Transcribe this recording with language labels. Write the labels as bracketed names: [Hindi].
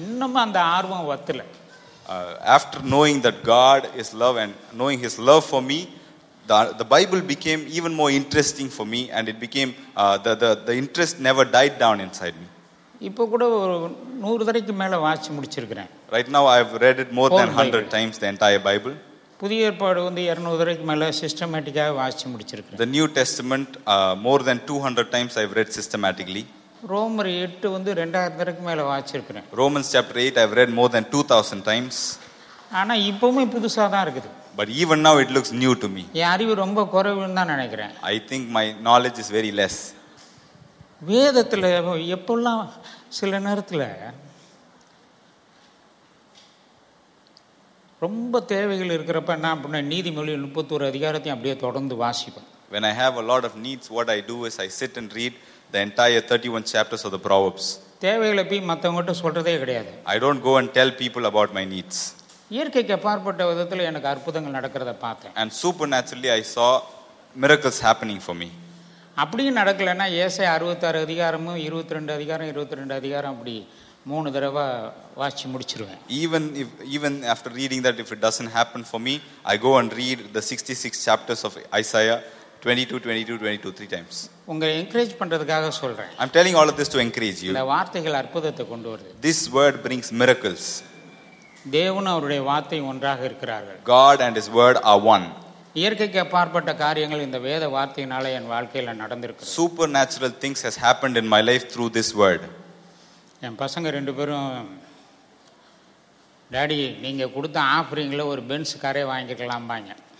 [Tamil] இன்னமும் அந்த ஆர்வம் வத்தல. [English] After knowing that God is love and knowing his love for me, the Bible became even more interesting for me, and it became the interest never died down inside me. [Tamil] இப்போ கூட ஒரு 100 தடவைக்கு மேல வாசி முடிச்சிருக்கிறேன். [English] Right now I have read it more than 100 times, the entire Bible. [Tamil] புதிய ஏற்பாடு வந்து 200 தடவைக்கு மேல சிஸ்டமேட்டிக்காக வாசி முடிச்சிருக்கிறேன். [English] The New Testament more than 200 times I have read systematically. [Tamil] ரோமர் 8 வந்து 2000 தடவைக்கு மேல வாசிச்சிருக்கிறேன். [English] Romans chapter 8 I have read more than 2000 times. [Tamil] ஆனா இப்பவுமே புதுசா தான் இருக்குது. [English] But even now it looks new to me. [Tamil] என் அறிவு ரொம்ப குறைவுன்னு தான் நினைக்கிறேன். [English] I think my knowledge is very less. [Tamil] வேதத்தில் எப்பெல்லாம் சில நேரத்தில் ரொம்ப தேவைகள் இருக்கிறப்ப என்ன பண்ணேன், நீதிமொழி 31 அதிகாரத்தையும் அப்படியே தொடர்ந்து வாசிப்பேன். [English] When I have a lot of needs, what I do is I sit and read the entire 31 chapters of the Proverbs. [Tamil] தேவைகளை போய் மற்றவங்ககிட்ட சொல்றதே கிடையாது. [English] I don't go and tell people about my needs. [Tamil] இயற்கைக்கு அப்பாற்பட்ட விதத்தில் எனக்கு அற்புதங்கள் நடக்கிறத பார்த்தேன். [English] And supernaturally I saw miracles happening for me. [Tamil] அப்படியும் நடக்கலன்னா ஏசாயா 66 அதிகாரமும் 22 அதிகாரம் 22 அதிகாரம் அப்படி மூணு தடவை வாசி முடிச்சிருவேன். [English] Even after reading that, if it doesn't happen for me, I go and read the 66 chapters of Isaiah 22 three times. [Tamil] உங்க என்கரேஜ் பண்றதுக்காக சொல்றேன். [English] I'm telling all of this to encourage you. [Tamil] இந்த வார்த்தைகள் அற்புதத்தை கொண்டு வருது. [English] This word brings miracles. [Tamil] தேவன் அவருடைய வார்த்தை ஒன்றாக இருக்கிறார்கள். [English] God and his word are one. [Tamil] இயற்கைக்கு அப்பாற்பட்ட காரியங்கள் இந்த வேத வார்த்தையினால என் வாழ்க்கையில நடந்திருக்கு. [English] Supernatural things has happened in my life through this word. [Tamil] என் பசங்க ரெண்டு பேரும், டாடி நீங்க கொடுத்த ஆஃபரிங்ல ஒரு பென்ஸ் காரே வாங்கிக்கலாம் பாங்க.